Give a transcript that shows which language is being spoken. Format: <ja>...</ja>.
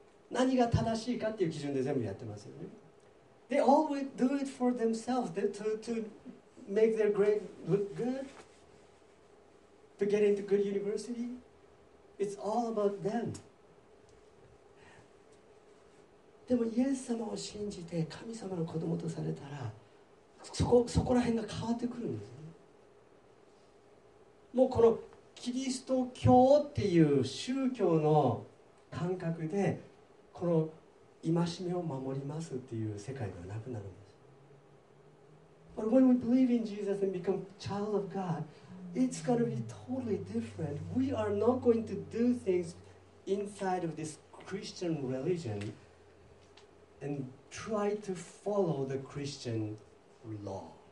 <ja>何が正しいかっていう基準で全部やってますよね。</ja> <en>They always do it for themselves to make their grade look good. To get into good university, it's all about them.</en> <ja>でもイエス様を信じて神様の子供とされたら、そこら辺が変わってくるんですね。もうこのキリスト教っていう宗教の感覚でこの戒めを守りますっていう世界ではなくなるんです。</ja> <en>But when we believe in Jesus and become child of God,It's going to be totally different. We are not going to do things inside of this Christian religion and try to follow the Christian law.</en>